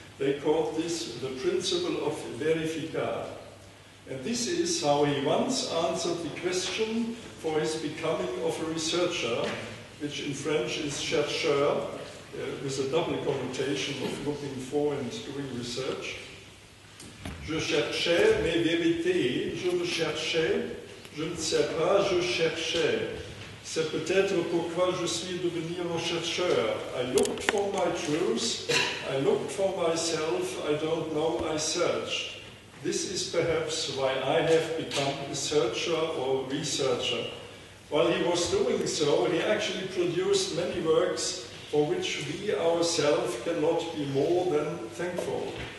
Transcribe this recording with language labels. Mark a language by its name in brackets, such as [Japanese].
[English] They called this the principle of verificar. And this is how he once answered the question for his becoming of a researcher, which in French is chercheur, with a double connotation of looking for and doing research. [French] Je cherchais mes vérités, je me cherchais, je ne sais pas, je cherchais. C'est peut-être pourquoi je suis devenu un chercheur. [English] I looked for my truth, I looked for myself, I don't know, I searched. This is perhaps why I have become a searcher or researcher. While he was doing so, he actually produced many works for which we ourselves cannot be more than thankful.